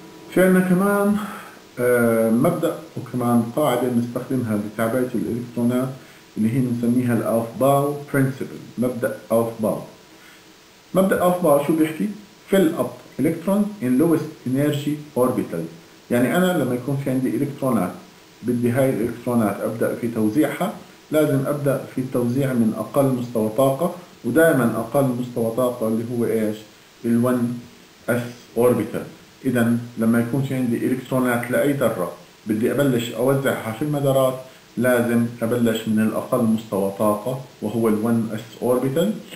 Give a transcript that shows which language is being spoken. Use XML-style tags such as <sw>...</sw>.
<ar>في عندنا كمان مبدأ وكمان قاعدة نستخدمها لتعبئة الإلكترونات اللي هي نسميها الألف باو برينسيبل، مبدأ ألف باو. مبدأ ألف باو شو بيحكي؟</ar> <en>fill up electron in lowest energy orbital.</en> <ar>يعني أنا لما يكون في عندي إلكترونات بدي هاي الإلكترونات أبدأ في توزيعها، لازم أبدأ في التوزيع من أقل مستوى طاقة، ودائما أقل مستوى طاقة اللي هو إيش؟ ال 1s orbital. إذا لما يكون في عندي إلكترونات لأي ذرة بدي أبلش أوزعها في المدارات لازم أبلش من الأقل مستوى طاقة وهو الـ 1s orbital.</ar>